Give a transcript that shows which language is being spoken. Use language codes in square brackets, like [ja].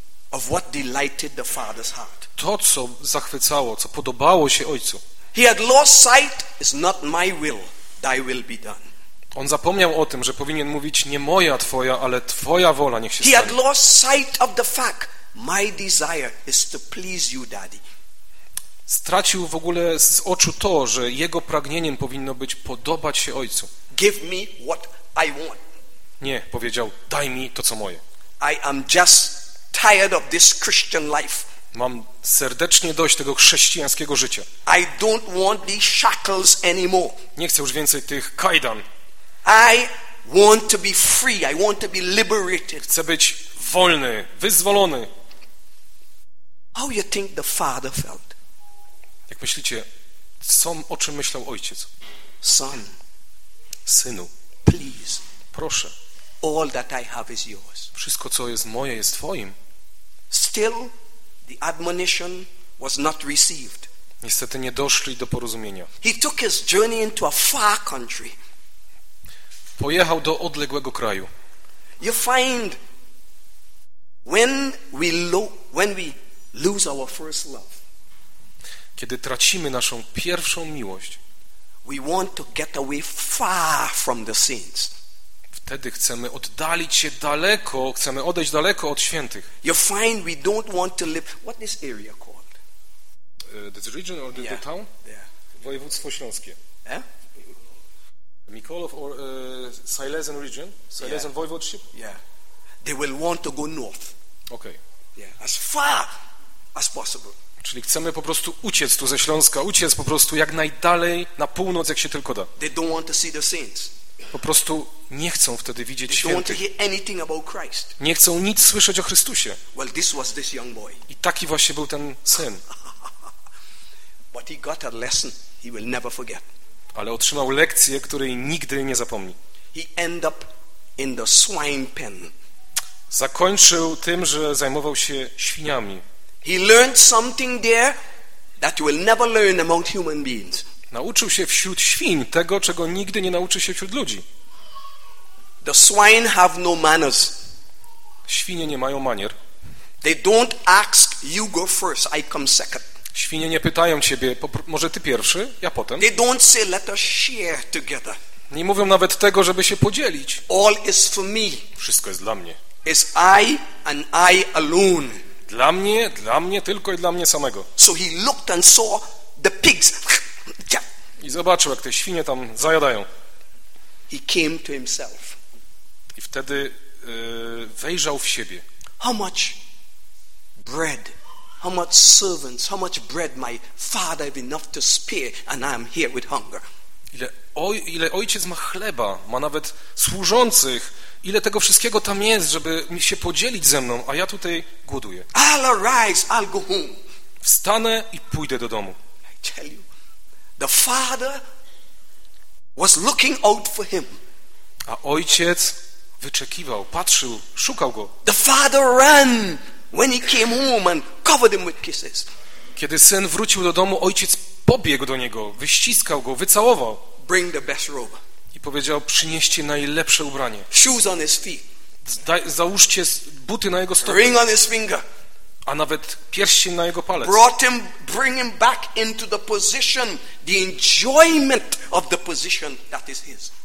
[en] of what delighted the father's heart. [pl] To, co zachwycało, co podobało się ojcu. [en] He had lost sight, it's not my will, thy will be done. [pl] On zapomniał o tym, że powinien mówić nie moja, twoja, ale twoja wola niech się stanie. [en] He had lost sight of the fact, my desire is to please you, daddy. [pl] Stracił w ogóle z oczu to, że jego pragnieniem powinno być podobać się ojcu. [en] Give me what I want. [pl] Nie, powiedział, daj mi to, co moje. [en] I am just tired of this Christian life. [pl] Mam serdecznie dość tego chrześcijańskiego życia. [en] I don't want these shackles anymore. [pl] Nie chcę już więcej tych kajdan. [en] I want to be free. I want to be liberated. [pl] Chcę być wolny, wyzwolony. [en] How you think the father felt? [pl] Jak myślicie, co, o czym myślał ojciec? [en] Son, [pl] synu, [en] please, [pl] proszę. [en] All that I have is yours. [pl] Wszystko, co jest moje, jest twoim. [en] Still, the admonition was not received. [pl] Niestety nie doszli do porozumienia. [en] He took his journey into a far country. [pl] Pojechał do odległego kraju. [en] You find when we lose our first love. [pl] Kiedy tracimy naszą pierwszą miłość, [en] we want to get away far from the saints. [pl] Wtedy chcemy oddalić się daleko, chcemy odejść daleko od świętych. [en] You find we don't want to live. What this area called? This region or the, yeah, the town? Yeah. [pl] Województwo śląskie. Eh? [en] Mikołow or Silesian region, Silesian, yeah, voivodeship? Yeah. They will want to go north. Okay. Yeah, as far as possible. [pl] Czyli chcemy po prostu uciec tu ze Śląska, uciec po prostu jak najdalej na północ, jak się tylko da. [en] They don't want to see the saints. [pl] Po prostu nie chcą wtedy widzieć [en] they [pl] świętych. [en] Don't want to hear anything about Christ. [pl] Nie chcą nic słyszeć o Chrystusie. [en] Well, this was this young boy. [pl] I taki właśnie był ten syn. [en] But he got a lesson he will never forget. [pl] Ale otrzymał lekcję, której nigdy nie zapomni. [en] He end up in the swine pen. [pl] Zakończył tym, że zajmował się świniami. [en] He learned something there that you will never learn among human beings. [pl] Nauczył się wśród świń tego, czego nigdy nie nauczy się wśród ludzi. [en] The swine have no manners. [pl] Świnie nie mają manier. [en] They don't ask you go first, I come second. [pl] Świnie nie pytają ciebie, może ty pierwszy, ja potem. [en] They don't say, let us share together. [pl] Nie mówią nawet tego, żeby się podzielić. [en] All is for me. [pl] Wszystko jest dla mnie. [en] It's I and I alone. [pl] Dla mnie tylko i dla mnie samego. [en] So he looked and saw the pigs. [pl] I zobaczył, jak te świnie tam zajadają. [en] He came to himself. [pl] I wtedy wejrzał w siebie. [en] How much bread? How much servants, how much bread my father have enough to spare and I am here with hunger. [pl] Ile ojciec ma chleba, ma nawet służących, ile tego wszystkiego tam jest, żeby mi się podzielić ze mną, a ja tutaj głoduję. [en] I'll arise, I'll go home. [pl] Wstanę i pójdę do domu. [en] I tell you, the father was looking out for him. [pl] A ojciec wyczekiwał, patrzył, szukał go. [en] The father ran when he came home and covered him with kisses. [pl] Kiedy syn wrócił do domu, ojciec pobiegł do niego, wyściskał go, wycałował. [en] Bring the best robe. [pl] I powiedział, przynieście najlepsze ubranie. [en] Shoes on his feet. [pl] Załóżcie buty na jego stopie. [en] Ring on his finger. [pl] A nawet pierścień na jego palec. [en] Brought him, bring him back into the position, the enjoyment of the position that is his.